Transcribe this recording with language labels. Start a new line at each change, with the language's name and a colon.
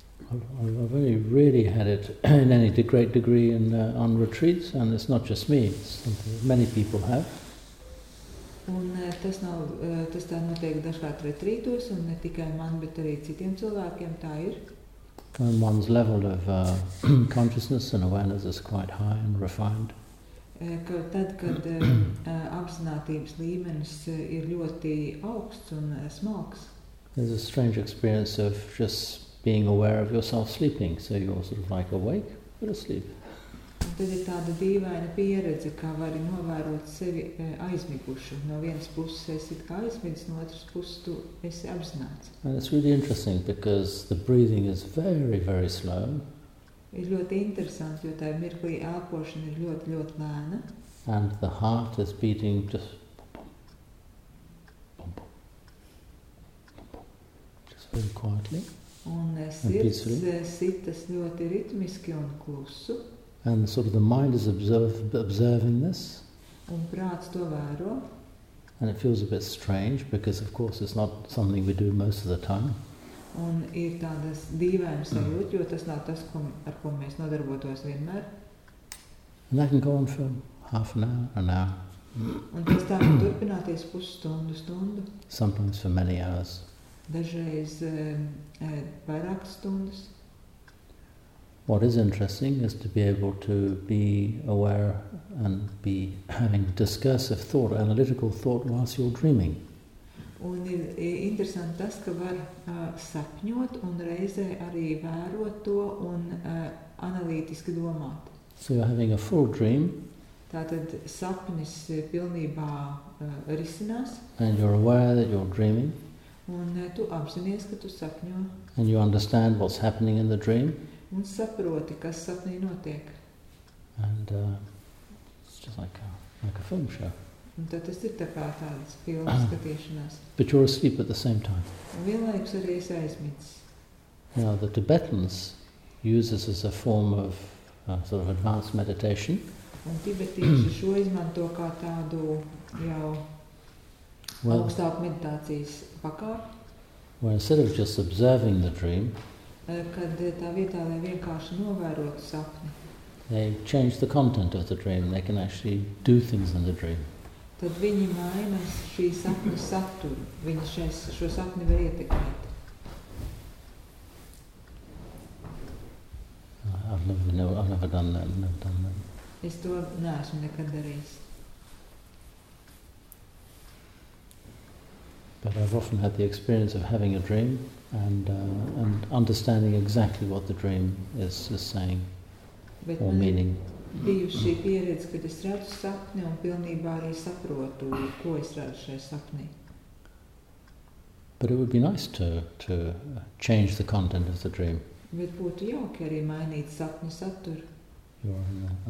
English: I've only really had it in any great degree in on retreats, and it's not just me, it's something that many people have.
Latvian: Un tas nav, tas tā notiek dažkārt retrītos, un ne tikai man, bet arī citiem cilvēkiem tā ir.
English: And one's level of consciousness and awareness is quite high and refined.
Latvian: Tad, kad apzinātības līmenis ir ļoti augsts un smalks.
English: There's a strange experience of just being aware of yourself sleeping, so you're sort of like awake but asleep.
Latvian: Tad ir tāda dīvaina pieredze, kā vari novērot sevi aizmigušu. No vienas puses esi kā aizmigs, no otras puses tu esi apzināts.
English: And it's really interesting because the breathing is very, very slow.
Latvian: Ir ļoti interesanti, jo tā mirklī elpošana ir ļoti, ļoti lēna.
English: And the heart is beating just just very quietly.
Latvian: Un sirds sitas ļoti ritmiski un klusu.
English: And sort of the mind is observing this.
Latvian: Un prāts to vēro.
English: And it feels a bit strange because of course it's not something we do most of the time.
Latvian: Un ir tādas dīvainas sajūtas, jo tas nav tas, ar ko mēs nodarbotos vienmēr.
English: And that can go on for half an hour, an hour.
Latvian: Un tas tā var turpināties pusstundu, stundu.
English: Sometimes for many hours.
Latvian: Dažreiz vairāk stundas.
English: What is interesting is to be able to be aware and be having discursive thought, analytical thought whilst you're dreaming.
Latvian: Un ir interesanti tas, ka var sapņot un reizē arī vērot to un analītiski domāt.
English: So you're having a full dream.
Latvian: Tātad sapnis pilnībā risinās.
English: And you're aware that you're dreaming.
Latvian: Un tu apzinies, ka tu sapņo.
English: And you understand what's happening in the dream.
Latvian: Un saproti, kas sapnī notiek.
English: And it's just like a film show.
Latvian: Un tad tas ir tā kā tāds filmas skatīšanās.
English: But you're asleep at the same time.
Latvian: Un vienlaikus arī esi aizmidzis.
English: Now the Tibetans use this as a form of sort of advanced meditation.
Latvian: Un tibetieši šo izmanto kā tādu jau augstāku meditācijas pakāpi.
English: Well, instead of just observing the dream,
Latvian: kad tā vietā, lai vienkārši novērotu sapni,
English: they change the content of the dream. They can actually do things in the dream.
Latvian: Tad viņi maina šī sapņa saturu. Viņi šo sapni var ietekmēt.
English: I've never done that.
Latvian: Es to neesmu nekad darījis.
English: But I've often had the experience of having a dream and understanding exactly what the dream is saying
Latvian: Bet
English: or meaning.
Latvian: Bijuši pieredze, kad es redzu sapni un pilnībā arī saprotu, ko es redzu šai sapnī.
English: But it would be nice to change the content of the dream.
Latvian: Bet būtu jauki arī mainīt sapņu saturu.